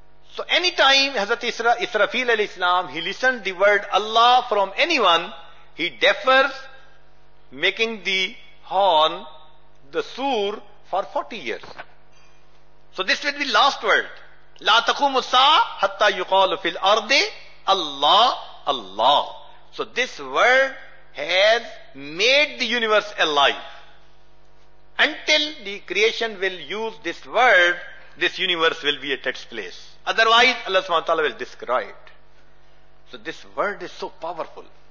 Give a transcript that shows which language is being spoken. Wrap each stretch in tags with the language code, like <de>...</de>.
<en>So anytime Hazrat Israfil alayhi salam, he listens the word Allah from anyone, he defers making the horn, the sur, for 40 years. So this will be last word.</en> <ar>لا تقوم الساعة حتى يقال في الأرض الله الله.</ar> <en>So this word has made the universe alive. Until the creation will use this word, this universe will be at its place. Otherwise, Allah subhanahu wa ta'ala will describe it. So this word is so powerful.</en>